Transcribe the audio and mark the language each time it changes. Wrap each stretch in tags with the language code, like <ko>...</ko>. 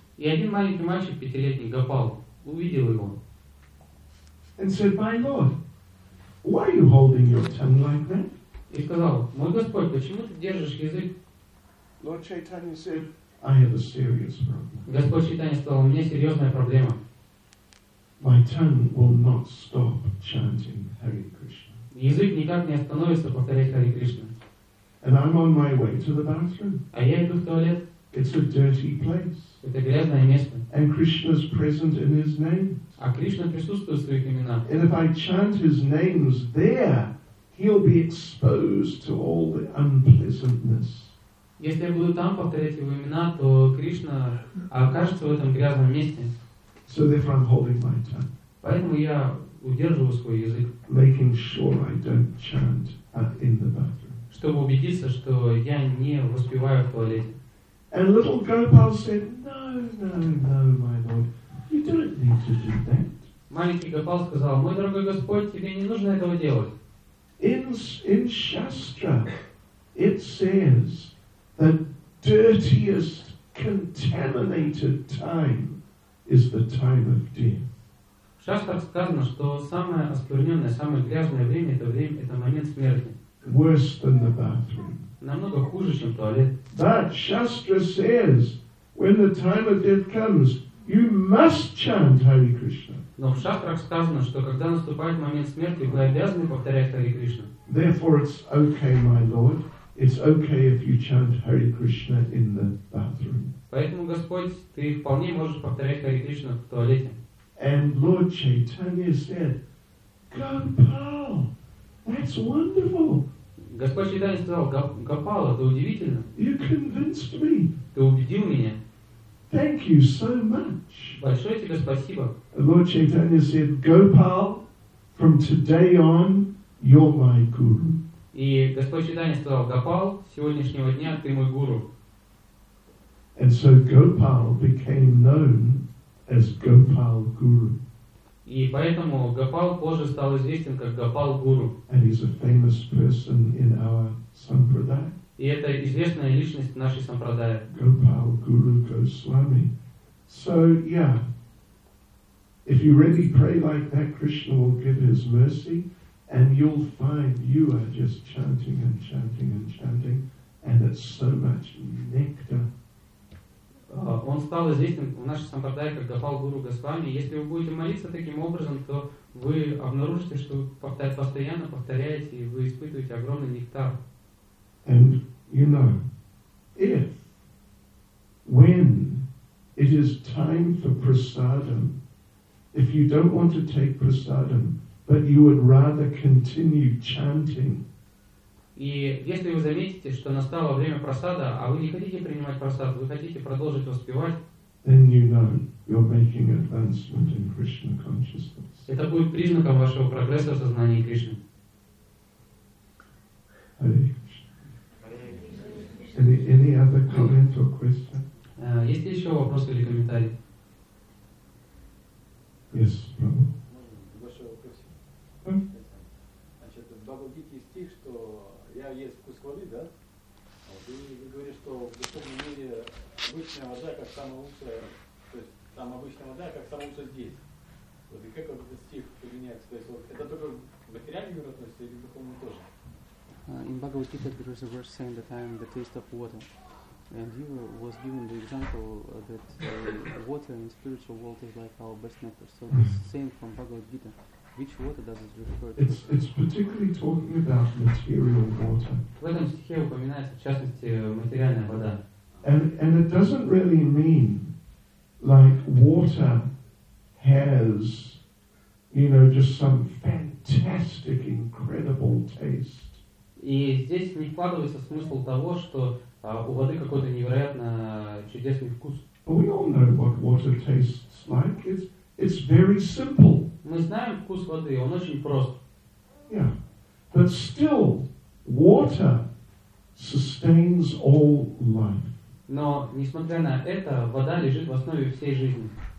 <ru>И один маленький мальчик, пятилетний Гопал, увидел его.</ru> <en>And said, "My Lord, why are you holding your tongue like that?"</en> <ru>И сказал, мой Господь, почему ты держишь язык?</ru> <en>Lord Chaitanya said, "I have a serious problem."</en> <ru>Господь Чайтанья сказал, у меня серьезная проблема.</ru> <en>My tongue will not stop chanting Hare Krishna.</en> <ru>Язык никак не остановится повторять Хари Кришна.</ru> <en>And I'm on my way to the bathroom.</en> <ru>А я иду в туалет.</ru> <en>It's a dirty place.</en> <ru>Это грязное место.</ru> <en>And Krishna's present in his name.</en> <ru>А Кришна присутствует в своих именах.</ru> <en>And if I chant his names there, he'll be exposed to all the unpleasantness.</en> <ru>Если я буду там повторять его имена, то Кришна окажется в этом грязном месте.</ru> <en>So therefore I'm holding my tongue.</en> <ru>Поэтому я удерживаю свой язык.</ru> <en>Making sure I don't chant in the bathroom.</en> <ru>Чтобы убедиться, что я не воспеваю в туалете.</ru> <en>And little Gopal said, no, my lord, you don't need to do that.</en> <ru>Маленький Гопал сказал, мой дорогой Господь, тебе не нужно этого делать.</ru> <en>In Shastra it says the dirtiest contaminated time is the time of death.</en> <ru>В Шастрах сказано, что самое оскверненное, самое грязное время это время, это момент смерти.</ru> <en>Worse than the bathroom.</en> <ru>Намного хуже, чем туалет.</ru> <en>But Shastra says, when the time of death comes, you must chant Hare Krishna.</en> <ru>Но в Шастрах сказано, что когда наступает момент смерти, вы обязаны повторять Hare Krishna.</ru> <en>Therefore, it's okay, my lord. It's okay if you chant Hare Krishna in the bathroom.</en> <ru>Поэтому, Господь, ты вполне можешь повторять Hare Krishna в туалете.</ru> <en>And Lord Chaitanya said, Gopal, that's wonderful.</en> <ru>Господь Чайтанья сказал, Гопал, это удивительно.</ru> <en>You convinced me.</en> <ru>Ты убедил меня.</ru> <en>Thank you so much.</en> <ru>Большое тебе спасибо.</ru> <en>Lord Chaitanya said, Gopal, from today on, you're my guru.</en> <ru>И Господь Чайтанья сказал, Гопал, с сегодняшнего дня ты мой гуру.</ru> <en>And so Gopal became known as Gopal Guru.</en> <ru>И поэтому Гопал позже стал известен как Гопал Гуру.</ru> <en>And he's a famous person in our Sampradaya.</en> <ru>И это известная личность нашей Сампрадая.</ru> <en>Gopal Guru Goswami. So, yeah. If you really pray like that, Krishna will give his mercy. And you'll find you are just chanting and chanting and chanting. And it's so much nectar.</en> <ru>Он стал известен в нашей сампрадае как Гопал Гуру Госвами. Если вы будете молиться таким образом, то вы обнаружите, что вы постоянно повторяете, и вы испытываете огромный нектар.</ru> <en>And you know, if when it is time for prasadam, if you don't want to take prasadam, but you would rather continue chanting.</en> <ru>И если вы заметите, что настало время просада, а вы не хотите принимать просад, вы хотите продолжить воспевать,</ru> <en>then you know you're making advancement in Krishna consciousness.</en> <ru>Это будет признаком вашего прогресса в сознании Кришны.</ru> <en>Hare Krishna. Any other comment or question?</en> <ru>Есть ли еще вопросы или комментарии?</ru> <en>Yes, Prabhu.</en> <ru>Большой вопрос. Значит, Бхагавадгите есть стих, что я есть вкус воды, да? Вот. И вы говорите, что в духовном мире обычная вода как самая лучшая, то есть там обычная вода как самая лучшая здесь. Вот. И как вот этот стих применяется? То есть вот это только в материальном мире относится или в духовном тоже?</ru> <en>In Bhagavad Gita there is a verse saying that I am the taste of water. And he was given the example that water in spiritual world is like our best nectar. So it's the same from Bhagavad Gita. Which water does it refer to? It's particularly talking about material water.</en> <ru>В этом стихе упоминается, в частности, материальная вода.</ru> <en>And it doesn't really mean like water has, you know, just some fantastic, incredible taste.</en> <ru>И здесь не вкладывается смысл того, что у воды какой-то невероятно чудесный вкус.</ru> <en>But we all know what water tastes like. It's very simple.</en> <ru>Мы знаем вкус воды, он очень прост.</ru> <en>Yeah. But still, water sustains all life.</en> <ru>Но, несмотря на это, вода лежит в основе всей жизни.</ru>